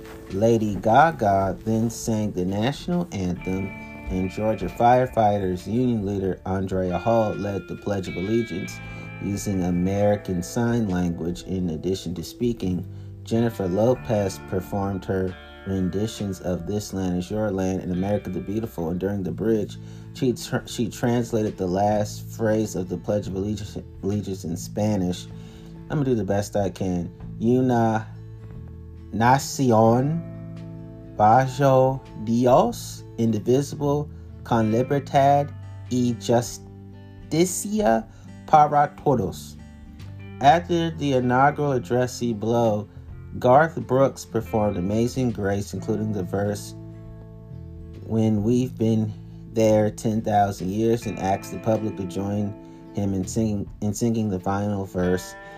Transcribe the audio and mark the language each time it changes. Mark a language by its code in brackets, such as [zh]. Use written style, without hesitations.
[en] Lady Gaga then sang the national anthem, and Georgia Firefighters Union leader Andrea Hall led the Pledge of Allegiance, using American Sign Language in addition to speaking. Jennifer Lopez performed her renditions of This Land Is Your Land and America the Beautiful, and during the bridge, she translated the last phrase of the Pledge of Allegiance in Spanish. I'm gonna do the best I can. [es] Una nación bajo Dios, indivisible, con libertad y justicia para todos. [en] After the inaugural address, below, Garth Brooks performed Amazing Grace, including the verse, "When we've been there 10,000 years, and asked the public to join him in singing the final verse.